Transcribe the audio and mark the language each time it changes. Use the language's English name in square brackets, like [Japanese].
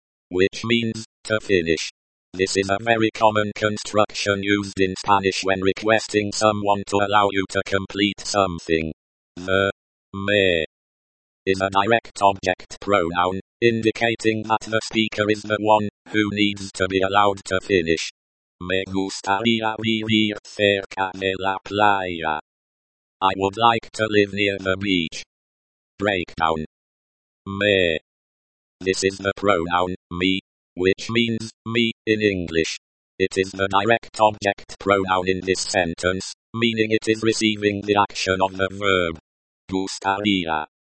[English] which means to finish. This is a very common construction used in Spanish when requesting someone to allow you to complete something. The me is a direct object pronoun, indicating that the speaker is the one who needs to be allowed to finish. [Spanish] Me gustaría vivir cerca de la playa. [English] I would like to live near the beach. Breakdown. Me. This is the pronoun, me, which means me in English. It is the direct object pronoun in this sentence, meaning it is receiving the action of the verb. Gustaría.